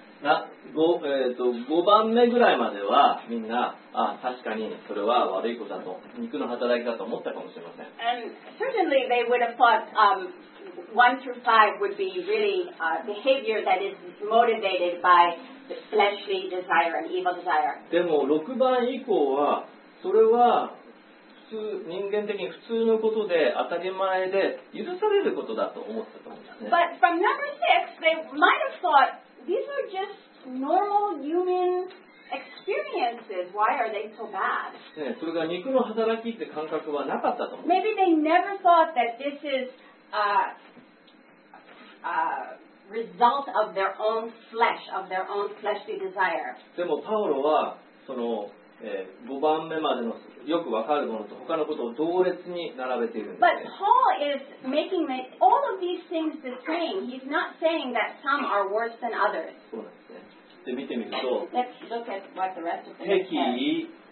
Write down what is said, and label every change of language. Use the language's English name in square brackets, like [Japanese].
[Japanese] 5番目ぐらいまでは、みんな、あ、確かにそれは悪いことだと、肉の働きだと思ったかもしれません。 [English] And certainly they would have thought, 1 through 5 would be really behavior that is motivated by the fleshly desire and evil desire. [Japanese] でも、6番以降は、それは、人間的に普通のことで当たり前で許されることだと思ったと思うんですね。 [English] But from number six, they might have thought these are just normal human experiences. senses, why are they so bad? [Japanese] それが肉の働きって感覚はなかったと思う。 [English] Maybe they never thought that this is a result of their own flesh, of their own fleshly desire. [Japanese] でもパウロはその5番目までのよく分かるものと他のことを同列に並べているんです、ね、 [English] But Paul is making the, all of these things the same. He's not saying that some are worse than others. [Japanese] そうですね。で見てみると [English] Let's look at what the rest of the text says. 敵意